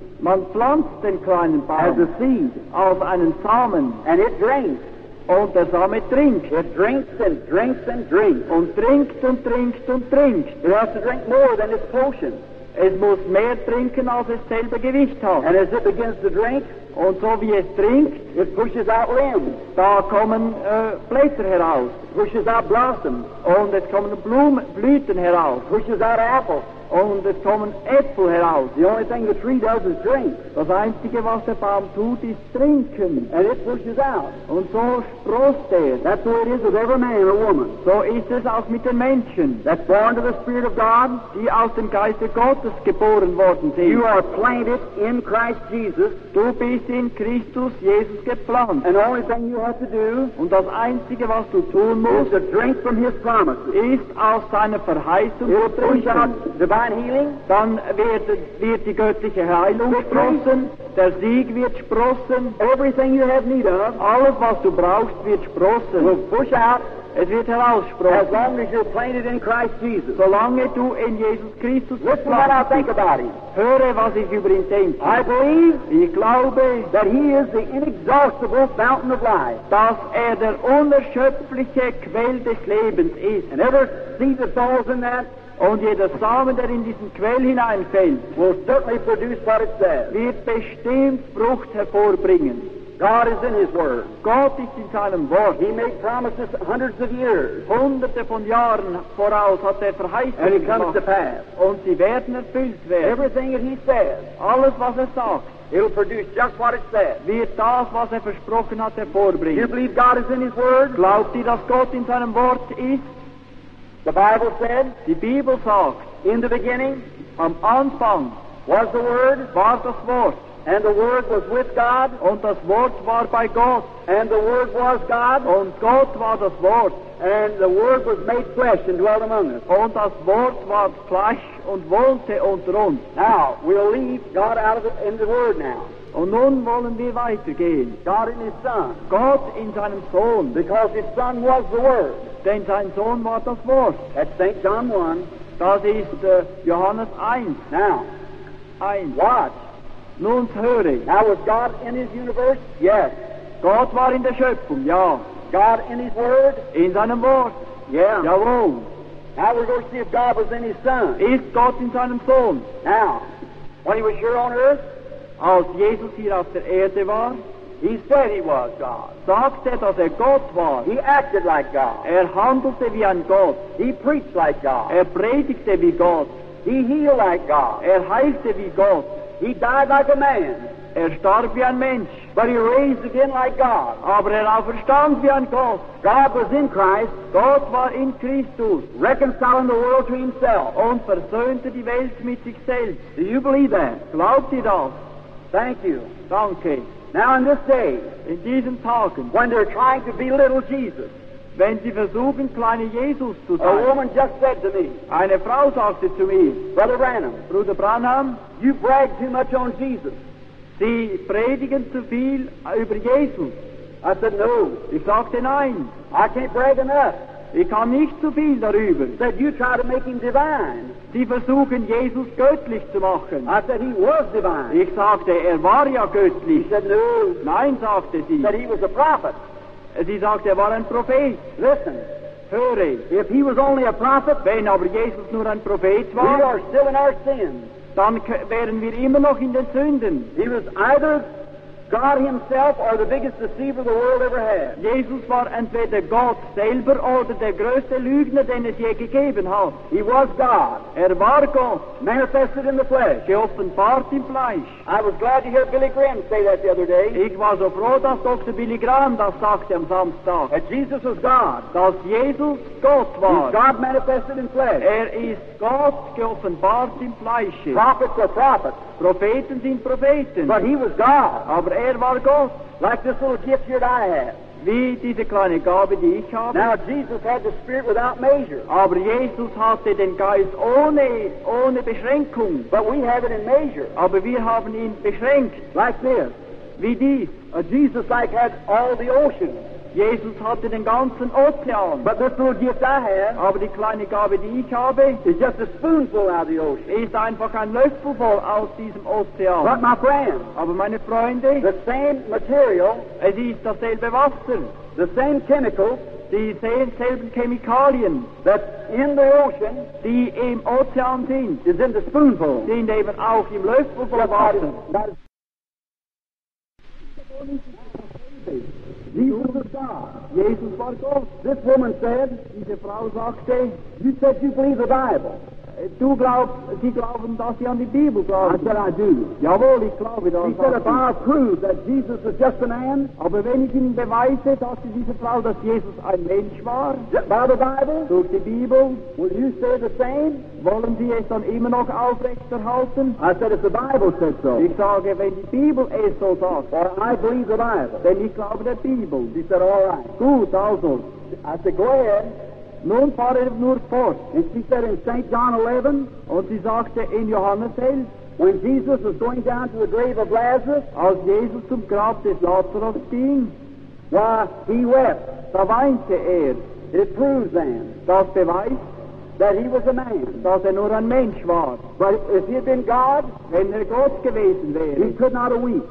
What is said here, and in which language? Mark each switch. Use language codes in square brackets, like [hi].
[de] Man pflanzt den kleinen Baum. [en] As a seed. [de] Als einen Samen. [en] And it drains. [de] Und der Same trinkt. [en] It drinks and drinks and drinks. [de] Und trinkt und trinkt und trinkt. [en] It has to drink more than its portion. [de] Es muss mehr trinken, als es selber Gewicht hat. [en] And as it begins to drink, [de] und so wie es trinkt, [en] it pushes out limbs. [de] Da kommen Blätter heraus. [en] It pushes out blossoms. [de] Und es kommen Blüten heraus. [en] It pushes out apples. [de] Und es kommen Äpfel heraus. [en] The only thing the tree does is drink. [de] Das Einzige, was der Baum tut, ist trinken. [en] And it pushes out. [de] Und so sprost er. [en] That's the way it is with every man or woman. [de] So ist es auch mit den Menschen. [en] That's born to the Spirit of God. [de] Die aus dem Geiste Gottes geboren worden sind. [en] You are planted in Christ Jesus. [de] Du bist in Christus Jesus gepflanzt. [en] And the only thing you have to do. [de] Und das Einzige, was du tun musst, [en] is to drink from his promises. [de] Ist aus seiner Verheißung zu trinken. [en] Divine healing. [de] Dann wird die göttliche Heilung sprossen. Der Sieg wird sprossen. [en] Everything you have need of. [de] Alles, was du brauchst, wird sprossen. [en] Will push out. [de] Es wird heraussprossen. [en] As long as you're planted in Christ Jesus. [de] Solange du in Jesus Christus bist. [en] Listen to what I think about him. [de] Höre, was ich über ihn denke. [en] I believe. [de] Ich glaube. [en] That he is the inexhaustible fountain of life. [de] Dass er der unerschöpfliche Quell des Lebens ist. [en] And ever see the souls in that? [de] Und jeder Samen, der in diesen Quell hineinfällt, [en] will certainly produce what it says. [de] Wird bestimmt Frucht hervorbringen. [en] God is in His Word. [de] Gott ist in seinem Wort. [en] He made promises hundreds of years. [de] Hunderte von Jahren voraus hat er verheißen. [en] And it comes to pass. [de] Und sie werden erfüllt werden. [en] Everything that He says. [de] Alles, was er sagt. [en] It'll produce just what it said. [de] Wird das, was er versprochen hat, hervorbringen. [en] You believe God is in His Word? [de] Glaubt ihr, dass Gott in seinem Wort ist? [en] The Bible said. [de] Die Bibel sagt. [en] In the beginning. [de] Am Anfang. [en] Was the Word? [de] War das Wort. [en] And the Word was with God. [de] Und das Wort war bei Gott. [en] And the Word was God. [de] Und Gott war das Wort. [en] And the Word was made flesh and dwelt among us. [de] Und das Wort war Fleisch und wohnte unter uns. [en] Now, we'll leave God out of the, in the Word now. [de] Und nun wollen wir weitergehen. [en] God in His Son. [de] Gott in seinem Sohn. [en] Because His Son was the Word. [de] Denn sein Sohn war das Wort. [en] At St. John 1. [de] Das ist Johannes 1. [en] Now, 1. Watch. [de] Nun höre. [en] Now was God in His universe? Yes. [de] Gott war in der Schöpfung, ja. [en] God in His Word? [de] In seinem Wort. [en] Yeah. [de] Jawohl. [en] Now we're going to see if God was in His Son. [de] Ist Gott in seinem Sohn? [en] Now, when He was here on earth? [de] Als Jesus hier auf der Erde war? [en] He said He was God. [de] Sagte, dass Gott war. [en] He acted like God. [de] Handelte wie ein Gott. [en] He preached like God. [de] Predigte wie Gott. [en] He healed like God. [de] Heilte wie Gott. [en] He died like a man. [de] Starb wie ein Mensch. [en] But He raised again like God. [de] Aber auferstand wie ein Gott. [en] God was in Christ. [de] Gott war in Christus. [en] Reconciling the world to Himself. [de] Und versöhnte die Welt mit sich selbst. [en] Do you believe that? [de] Glaubt ihr das? [en] Thank you. [de] Danke. [en] Now in this day. [de] In diesem Tagen. [en] When they're trying to belittle Jesus. [de] Wenn sie versuchen, kleine Jesus zu sein. [en] A woman just said to me. [de] Eine Frau sagte zu mir. [en] Brother Branham. [de] Bruder Branham. [en] You brag too much on Jesus. [de] Sie predigen zu viel über Jesus. [en] I said no. [de] Ich sagte nein. [en] I can't brag enough. [de] Ich kann nicht zu viel darüber. [en] Said you try to make Him divine. [de] Sie versuchen, Jesus göttlich zu machen. [en] I said He was divine. [de] Ich sagte, war ja göttlich. [en] He said no. [de] Nein, sagte sie. [en] Said He was a prophet. [de] Sie sagte, war ein Prophet. [en] Listen. [de] Höre. [en] If He was only a prophet, [de] wenn aber Jesus nur ein Prophet war, [en] we are still in our sins. [de] Dann wären wir immer noch in den Sünden. [en] He was either God Himself or the biggest deceiver the world ever had. [de] Jesus war entweder Gott selber oder der größte Lügner, den es je gegeben hat. [en] He was God. [de] War Gott. [en] Manifested in the flesh. [de] Geoffenbart im Fleisch. [en] I was glad to hear Billy Graham say that the other day. [de] Ich war so froh, dass Dr. Billy Graham das sagte am Samstag. [en] That Jesus was God. [de] Dass Jesus Gott war. [en] He's God manifested in flesh. [de] Ist Gott geoffenbart im Fleisch. [en] Prophets are prophets. [de] Propheten sind Propheten. [en] But He was God. [de] Aber war Gott. [en] Like this little gift here that I have. [de] Wie diese kleine Gabe, die ich habe. [en] Now Jesus had the Spirit without measure. [de] Aber Jesus hatte den Geist ohne Beschränkung. [en] But we have it in measure. [de] Aber wir haben ihn beschränkt. [en] Like this. [de] Wie dies. [en] Jesus like had all the ocean. [de] Jesus hatte den ganzen Ozean. [en] But this little gift I have. [de] Aber die kleine Gabe, die ich habe. [en] Is just a spoonful out of the ocean. [de] Ist einfach ein Löffel voll aus diesem Ozean. [en] But my friends. [de] Aber meine Freunde. [en] The same material. [de] Es ist dasselbe Wasser. [en] The same chemicals. [de] Dieselben Chemikalien. [en] That in the ocean. [de] Die im Ozean sind. [en] Is in the spoonful. [de] Sind eben auch im Löffel voll Wasser. [en] That is Jesus was God. [de] Jesus war Gott. [en] This woman said, [de] diese Frau sagte, [en] you said you believe the Bible. [de] Du glaubst, sie glauben, dass sie an die Bibel glauben. [en] I said, I do. [de] Jawohl, ich glaube das. [en] He said, if I prove that Jesus was just a man, [de] aber wenn ich ihnen beweise, dachte diese Frau, dass Jesus ein Mensch war, [en] by the Bible, [de] durch die Bibel, [en] will you say the same? [de] Wollen sie es dann immer noch aufrechterhalten? [en] I said, if the Bible said so. [de] Ich sage, wenn die Bibel es so sagt, [en] or I believe the Bible, [de] denn ich glaube der Bibel. [en] She said, all right. [de] Gut, also. [en] I said, go ahead. [de] Nun fahre ich nur fort. [en] And she said in St. John 11, [de] und sie sagte in Johannes 11, [en] when Jesus was going down to the grave of Lazarus, [de] als Jesus zum Grab des Lazarus ging, [en] why, he wept. [de] Da weinte [en] It proves then, [de] das beweist, [en] that he was a man, [de] dass nur ein Mensch war. [en] But if he had been God, [de] wenn Gott gewesen wäre, [en] he could not have weep.